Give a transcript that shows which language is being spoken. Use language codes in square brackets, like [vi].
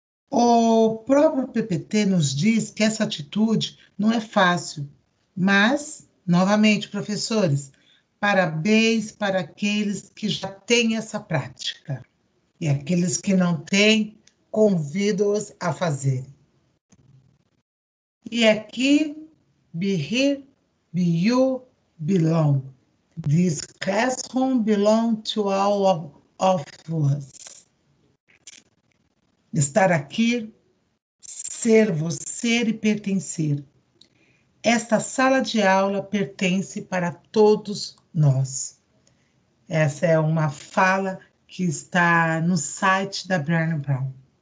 [pt] O próprio PPT nos diz que essa atitude não é fácil, mas, novamente, professores, parabéns para aqueles que já têm essa prática. E aqueles que não têm, convido-os a fazer. E aqui, [en] be here, be you, belong. This classroom belongs to all of us. [pt] Estar aqui, ser você e pertencer. Esta sala de aula pertence para todos nós. Essa é uma fala que está no site da Brené Brown.